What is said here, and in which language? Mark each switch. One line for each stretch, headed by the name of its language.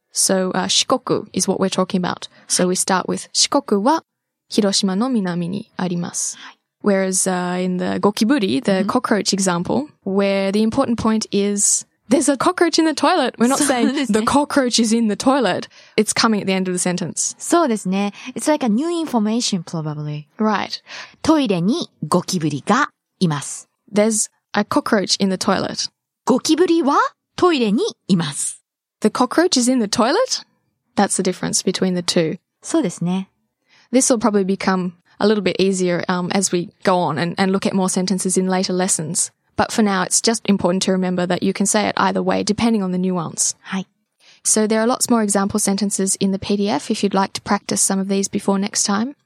English: So, 四国 is what we're talking about. So we start with
Japanese: 四国は 広島の南にあります.
English: Whereas in the gokiburi, the mm-hmm. cockroach example, where the important point is there's a cockroach in the toilet. We're not saying the cockroach is in the toilet. It's coming at the end of the sentence.
Japanese: そうですね.
English: It's like a new information probably. Right.
Japanese: トイレにゴキブリがいます.
English: There's a cockroach in the toilet.
Japanese: ゴキブリはトイレにいます.
English: The cockroach is in the toilet? That's the difference between the two.
Japanese: そうですね.
English: This will probably become a little bit easier as we go on and look at more sentences in later lessons. But for now, it's just important to remember that you can say it either way, depending on the nuance. Hi. So there are lots more example sentences in the PDF if you'd like to practice some of these before next time.